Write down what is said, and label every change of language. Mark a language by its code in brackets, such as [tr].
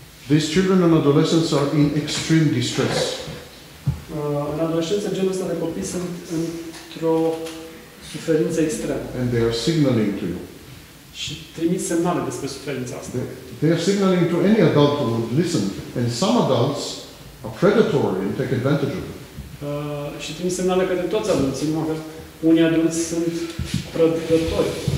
[en] These children and adolescents are in extreme distress. [ro] În adolescență, genul ăsta de copii sunt într-o suferință extremă. [en] And they are signaling to you. [ro] Și trimit semnale despre suferința asta. [en] They are signaling to any adult who would listen. And some adults are predatory and take advantage of it. [ro] Și trimit semnale către toți adulții, numai că unii adulți sunt prădători.